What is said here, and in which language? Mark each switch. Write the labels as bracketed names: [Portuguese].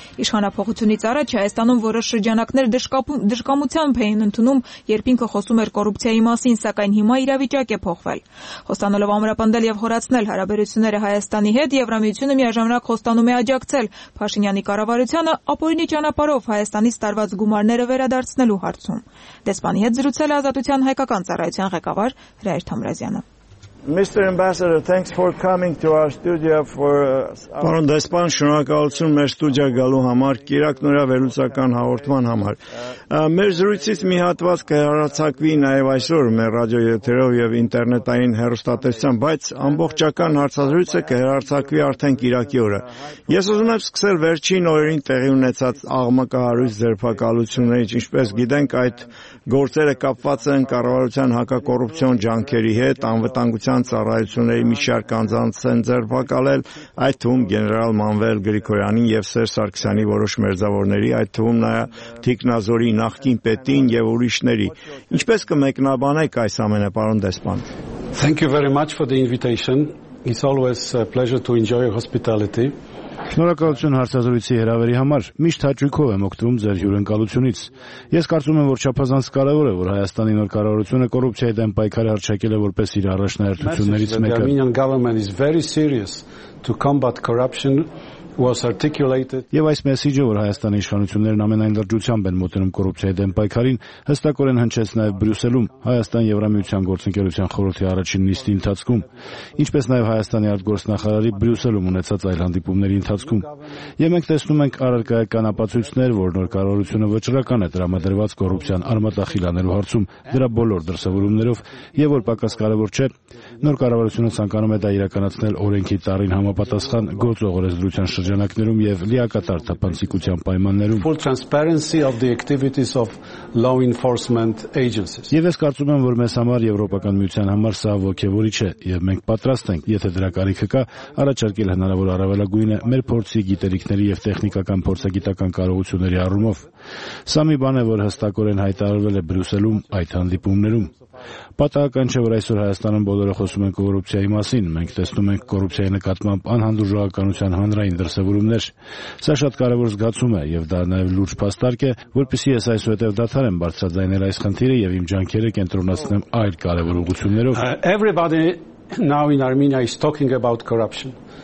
[Armenian] Իշխանափոխությունից առաջ Հայաստանում որոշ շրջանակներ դժկամությամբ էին ընդունում, երբ ինքը խոսում էր կոռուպցիայի մասին, սակայն հիմա իրավիճակ է փոխվել։ Հոստանելով ամրապնդել և խորացնել հարաբերությունները Հայաստանի հետ, Եվրամիությունը միաժամանակ խոստանում է աջակցել Փաշինյանի կառավարությանը ապօրինի ճանապարհով Հայաստանից տարված գումարները վերադարձնելու հարցում։ Դեսպանի հետ զրուցել է Ազատության հայկական ծառայության ղեկավար Հրայր Թամրազյանը։ [English] Mr. Ambassador, thanks for coming to our studio for [Armenian] Պարոն դեսպան, շնորհակալություն մեր ստուդիա գալու համար, կիրակ նորավերուսական հաղորդման համար։ Մեր զրույցից մի հատված կհեռարձակվի նաև այսօր մեր ռադիոյեթերով եւ ինտերնետային հեռուստատեսությամբ, բայց ամբողջական հարցազրույցը կհեռարձակվի արդեն կիրակի օրը։ Ես ուզում եմ սկսել վերջին օրերին տեղի ունեցած աղմկահարույց ձերբակալություններից, ինչպես գիտենք, այդ գործերը կապված են կառավարության հակակոռուպցիոն ջանքերի հետ, անվտանգության ծառայությունների միջազգ անձանց են ձերբակալել, այդ թվում գեներալ Մանվել Գրիգորյանի և Սերժ Սարգսյանի որոշ մերձավորների, այդ թվում նաև Թիկնազորի նախկին պետին և ուրիշների։ Ինչպես կմեկնաբանեք այս ամենը, պարոն դեսպան։ [English] Thank you very much for the invitation. It's always a pleasure to enjoy your hospitality. [Armenian] Շնորհակալություն հարցազրույցի հրավերի համար։ Միշտ հաճույքով եմ օգտվում ձեր հյուրընկալությունից։ Ես կարծում եմ, որ չափազանց կարևոր է, որ Հայաստանի նոր կառավարությունը կոռուպցիայի դեմ պայքարը հարձակել է որպես իր առաջնահերթություններից մեկը։ [English] The Armenian government is very serious to combat corruption. Was articulated. [Armenian] Եվ այս մեսիջը, որ Հայաստանի իշխանություններն ամենայն լրջությամբ են մոտենում կոռուպցիայի դեմ պայքարին, հստակորեն հնչեց նաև Բրյուսելում Հայաստան-Եվրամիության գործընկերության խորհրդի առաջին նիստի ընթացքում, ինչպես նաև Հայաստանի արտգործնախարարի Բրյուսելում ունեցած այլ հանդիպումների ընթացքում։ Եվ մենք տեսնում ենք առարկայական ապացույցներ, որ նոր կառավարությունը վճռական է դրամադրված կոռուպցիան արմատախիլ անելու հարցում դրա բոլոր դրսևորումներով, և որ պակաս կարևոր չէ, նոր կառավարությունը ցանկանում է դա իրականացնել օրենքի տարին համապատասխան գործողորեզդրության շրջանակներում եւ լիակատար թափանցիկության պայմաններում. [English] Full transparency of the activities of law enforcement agencies. [Armenian] Եվ ես կարծում եմ, որ մեզ համար, Եվրոպական միության համար սա ոգևորիչ է, եւ մենք պատրաստ ենք, եթե դրա կարիքը կա, առաջարկել հնարավոր առավելագույնը մեր փորձի գիտելիքների եւ տեխնիկական փորձագիտական կարողությունների առումով։ Սա մի բան է, որ հստակորեն հայտարարվել է Բրյուսելում այդ հանդիպումներում։ Պատահական չէ, որ այսօր Հայաստանում բոլորը խոսում են կոռուպցիայի մասին, մենք տեսնում ենք կոռուպցիայի նկատմամբ անհանդուրժողականության հանրային դրսևորումներ։ Սա շատ կարևոր զգացում է եւ դա նաեւ լուրջ փաստարկ է, որպեսզի ես այսուհետև դադարեմ բարձրաձայնել այս խնդիրը եւ իմ ջանքերը կենտրոնացնեմ այլ կարևոր ուղղություններով։ [English] Everybody now in Armenia is talking about corruption.